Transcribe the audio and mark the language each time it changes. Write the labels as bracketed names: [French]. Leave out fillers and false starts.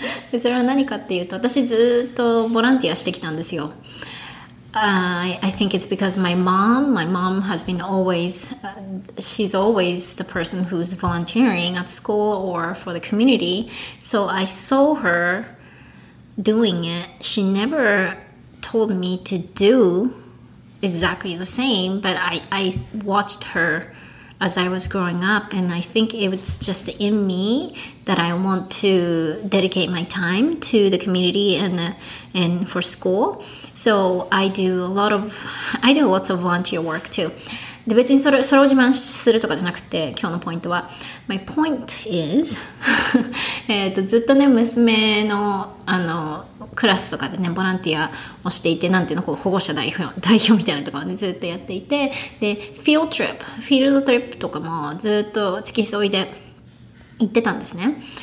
[Japanese] で、それは何かっていうと、私ずっとボランティアしてきたんですよ。 [English] I think it's because my mom has been always, she's always the person who's volunteering at school or for the community. So I saw her doing it. She never told me to do exactly the same, but I watched her as I was growing up. And I think it's just in me that I want to dedicate my time to the community and for school. So I do lots of volunteer work too. [Japanese] で、別にそれを自慢するとかじゃなくて、今日のポイントは。 [English] My point is, [Japanese] ずっとね、娘の、クラスとかでね、ボランティアをしていて、なんていうの、こう保護者代表みたいなところをね、ずっとやっていて、で、フィールドトリップとかもずっと付き添いで行ってたんですね。